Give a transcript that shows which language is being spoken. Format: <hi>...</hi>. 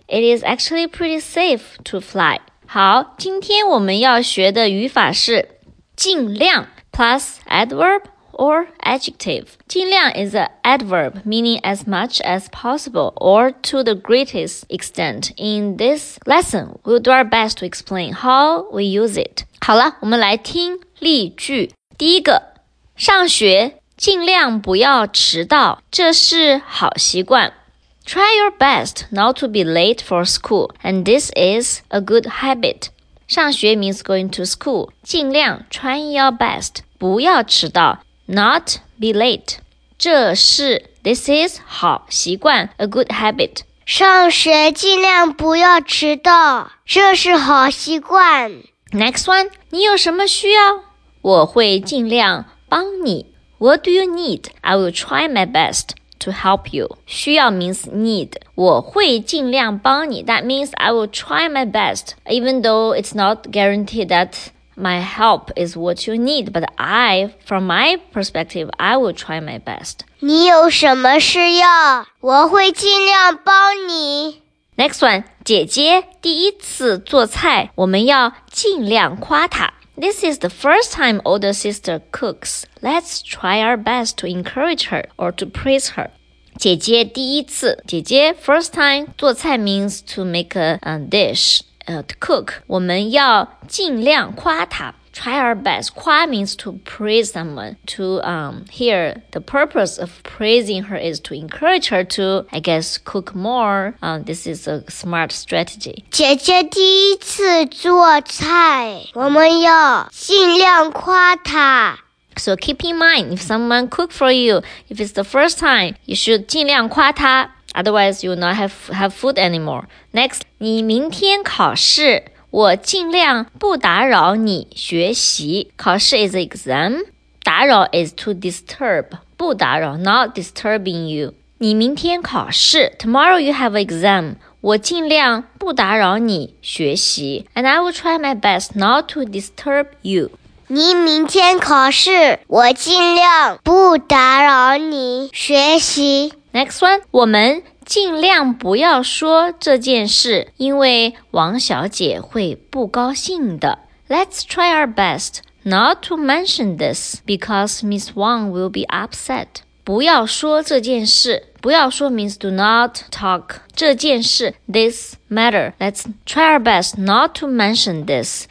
<en>It is actually pretty safe to fly.</en> <zh>好，今天我们要学的语法是尽量</zh> <en>plus adverb or adjective. 尽量 is an adverb meaning as much as possible or to the greatest extent. In this lesson, we'll do our best to explain how we use it.</en> <zh>好了，我们来听例句。第一个，上学尽量不要迟到，这是好习惯。</zh> <en>Try your best not to be late for school, and this is a good habit. 上学 means going to school. 尽量 trying your best,</en> <zh>不要迟到</zh> <en>not be late. 这是 this is 好习惯 a good habit.</en> <zh>上学尽量不要迟到，这是好习惯。</zh> <en>Next one,</en> <zh>你有什么需要？我会尽量帮你。</zh> <en>What do you need? I will try my best. To help you. 需要 means need.</en> <zh>我会尽量帮你。</zh> <en>That means I will try my best. Even though it's not guaranteed that my help is what you need. But I, from my perspective, I will try my best.</en> <zh>你有什么需要？我会尽量帮你。</zh> <en>Next one.</en> <zh>姐姐第一次做菜，我们要尽量夸她。</zh> <en>This is the first time older sister cooks. Let's try our best to encourage her or to praise her.</en> <zh>姐姐第一次，</zh> <en>姐姐 first time 做菜 means to make a dish, to cook.</en> <zh>我们要尽量夸她。</zh> <en>Try our best. 夸 means to praise someone. To hear the purpose of praising her is to encourage her to, I guess, cook more. This is a smart strategy.</en> <zh>姐姐第一次做菜，我们要尽量夸她。</zh> <en>So keep in mind, if someone cook for you, if it's the first time, you should</en> <zh>尽量夸她。</zh> <en>Otherwise, you will not have food anymore. Next,</en> <zh>你明天考试。我尽量不打扰你学习。</zh> <en>考试 is exam. 打扰 is to disturb.</en> <zh>不打扰</zh> <en>not disturbing you.</en> <zh>你明天考试。</zh> <en>Tomorrow you have exam.</en> <zh>我尽量不打扰你学习。</zh> <en>And I will try my best not to disturb you.</en> <zh>你明天考试。我尽量不打扰你学习。</zh> <en>Next one.</en> <zh>我们尽量不要说这件事，因为王小姐会不高兴的。</zh> <en>Let's try our best not to mention this because Miss Wang will be upset.</en> <zh>不要说这件事，不要说</zh> <en>means do not talk. 这件事 this matter. Let's try our best not to mention this.</en>